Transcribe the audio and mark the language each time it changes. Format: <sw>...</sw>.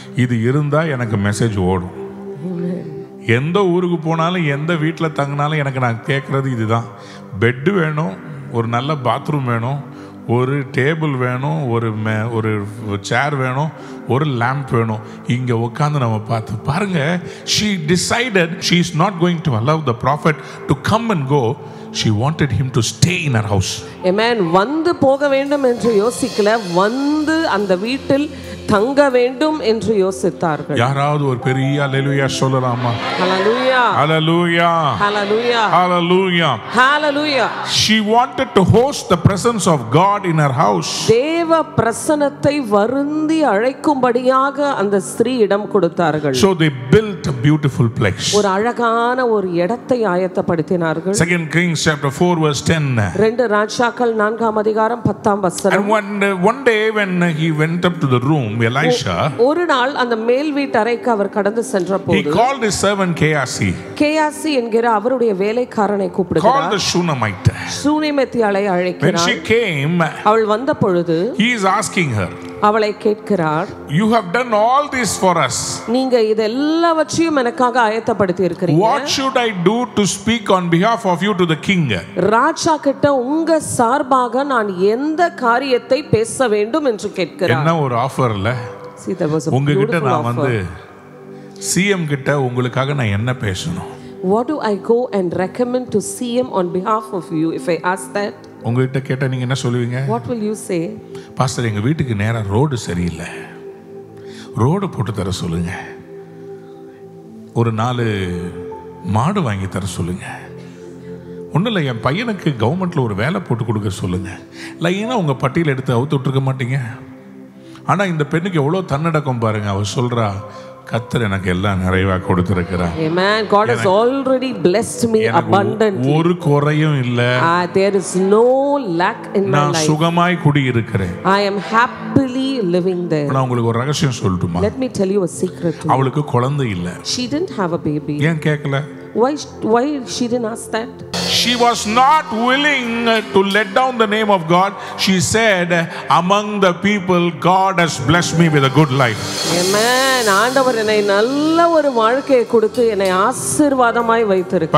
<ta>இது இருந்தா எனக்கு மெசேஜ் ஓடும். எந்த ஊருக்கு போனாலும் எந்த வீட்டில் தங்கினாலும் எனக்கு நான் கேட்கறது இதுதான், பெட்டு வேணும், ஒரு நல்ல பாத்ரூம் வேணும், ஒரு டேபிள் வேணும், ஒரு ஒரு சேர் வேணும், ஒரு லேம்ப் வேணும். இங்கே உட்காந்து நம்ம பார்த்து பாருங்க,</ta> <en>She decided she is not going to allow the prophet to come and go. She wanted him to stay in her house. Amen.</en> <ta>வந்து போக வேண்டும் என்று யோசிக்கல, வந்து அந்த வீட்டில் தங்க வேண்டும் என்று யோசித்தார்கள். யாராவது ஒரு பெரிய அல்லேலூயா சொல்லலாமா? அல்லேலூயா. அல்லேலூயா. அல்லேலூயா. அல்லேலூயா. அல்லேலூயா.</ta> <en>She wanted to host the presence of God in her house.</en> <ta>தேவ பிரசன்னத்தை வருந்தி அழைக்கும்படியாக அந்த ஸ்திரீ இடம் கொடுத்தார்கள்.</ta> <en>So they built a beautiful place.</en> <ta>ஒரு அழகான ஒரு இடத்தை ஆயத்தப்படுத்தினார்கள்.</ta> <en>Second Kings chapter 4 verse 10.</en> <ta>ரெண்டு ராஜாக்கள் 4 அதிகாரம் 10 வசனம்.</ta> <en>And one day when he went up to the room, Elisha,</en> <ta>ஒரு நாள் அந்த மேல் வீட்டறைக்கு அவர் கடந்து சென்ற போது,</ta> <en>he called his servant Kehasi.</en> <ta>Kehasi என்கிற அவருடைய வேலைக்காரனை கூப்பிடுகிறார்.</ta> <en>Called the Shunammite.</en> <ta>சூனேமித்தியளை அழைக்கிறார்.</ta> <en>When she came,</en> <ta>அவள் வந்தபொழுது,</ta> <en>he is asking her,</en> <ta>அவளை கேட்கிறார்,</ta> <en>you have done all this for us.</en> <ta>நீங்க இதெல்லாவற்றையும் எனக்காக ஆயத்தப்படுத்தி இருக்கீங்க.</ta> <en>What should I do to speak on behalf of you to the king?</en> <ta>ராஜா கிட்ட உங்க சார்பாக நான் எந்த காரியத்தை பேச வேண்டும் என்று கேட்கிறார். என்ன ஒரு ஆஃபர்ல?</ta> <en>See, that was a</en> <ta>உங்ககிட்ட நான் வந்து CM கிட்ட உங்களுக்காக நான் என்ன பேசணும்?</ta> <en>What do I go and recommend to CM on behalf of you if I ask that?</en> <ta>உங்ககிட்ட கேட்டா நீங்க என்ன சொல்லுவீங்க?</ta> <en>What will you say?</en> <ta>Pastor, எங்க வீட்டுக்கு நேரா ரோடு சரியில்லை, ரோடு போட்டு தர சொல்லுங்க, ஒரு நாலு மாடு வாங்கி தர சொல்லுங்க, ஒன்றும் இல்லை என் பையனுக்கு கவர்மெண்ட்ல ஒரு வேலை போட்டு கொடுக்க சொல்லுங்க. லைனா உங்க பட்டியல் எடுத்து அவுத்து விட்டுருக்க மாட்டீங்க. ஆனா இந்த பெண்ணுக்கு எவ்வளவு தன்னடக்கம் பாருங்க. அவ சொல்றா, கர்த்தர் எனக்கு எல்லாம் நிறைவா கொடுத்திருக்கிறார்.</ta> <en>Amen. God has already blessed me abundantly.</en> <ta>ஒரு குறையும் இல்ல.</ta> <en>There is no lack in my life.</en> <ta>நான் சுகமாய் குடி இருக்கிறேன்.</ta> <en>I am happily living there.</en> <ta>நான் உங்களுக்கு ஒரு ரகசியம் சொல்லட்டுமா?</ta> <en>Let me tell you a secret.</en> <ta>அவளுக்கு குழந்தை இல்ல.</ta> <en>She didn't have a baby.</en> <ta>ஏன் கேக்கல?</ta> <en>Why she didn't ask that? She was not willing to let down the name of God. She said, among the people, God has blessed me with a good life. Amen.</en> <ta>ஆண்டவர் என்னை நல்ல ஒரு வாழ்க்கை கொடுத்து என்னை ஆசீர்வாதமாய் வைத்திருக்கிறார்.</ta>